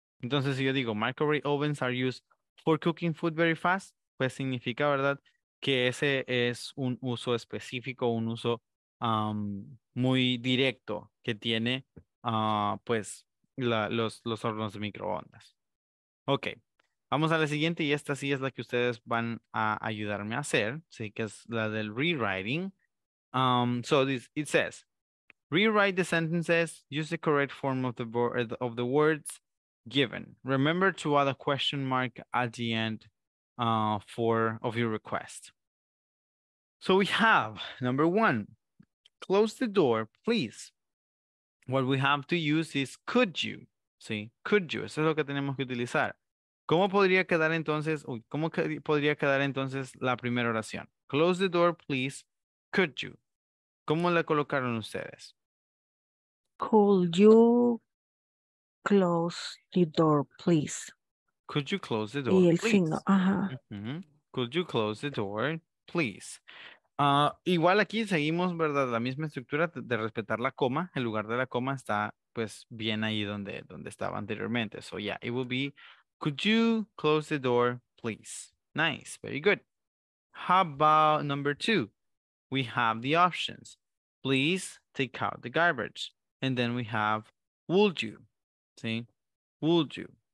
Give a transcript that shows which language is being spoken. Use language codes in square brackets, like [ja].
[es] Entonces, si yo digo [en] microwave ovens are used for cooking food very fast, [es] pues significa, ¿verdad?, que ese es un uso específico, un uso muy directo que tiene pues los hornos de microondas. Ok. Vamos a la siguiente y esta sí es la que ustedes van a ayudarme a hacer, ¿sí? Que es la del rewriting. [en] It says, rewrite the sentences, use the correct form of the words given. Remember to add a question mark at the end of your request. So we have number one, close the door, please. What we have to use is could you, [es] ¿sí? [en] Could you, [es] eso es lo que tenemos que utilizar. ¿Cómo podría quedar entonces? ¿Cómo podría quedar entonces la primera oración? [en] Close the door, please. Could you? [es] ¿Cómo la colocaron ustedes? [en] Could you close the door, please? Could you close the door, [es] please? Y el signo. Ajá. [en] Mm-hmm. Could you close the door, please? [es] Igual aquí seguimos, ¿verdad? La misma estructura de respetar la coma. El lugar de la coma está, pues, bien ahí donde estaba anteriormente. [en] So, yeah, it will be, could you close the door, please? Nice. Very good. How about number two? We have the options. Please take out the garbage. And then we have, would you? See? Would you?